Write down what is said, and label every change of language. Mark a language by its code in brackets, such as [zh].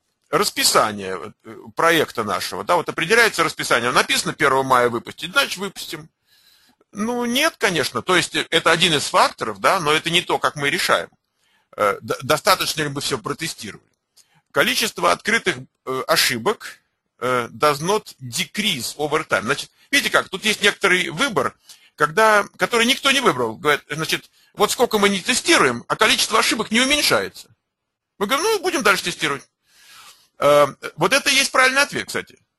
[ru] Расписание проекта нашего, да, вот определяется расписание, написано 1 мая выпустить, значит выпустим. Ну, нет, конечно, то есть это один из факторов, да, но это не то, как мы решаем. Достаточно ли мы все протестировали? Количество открытых ошибок [en] does not decrease over time. [ru] Значит, видите как, тут есть некоторый выбор, который никто не выбрал. Говорит, значит, вот сколько мы не тестируем, а количество ошибок не уменьшается. Мы говорим, ну, будем дальше тестировать. Вот это и есть правильный ответ, кстати.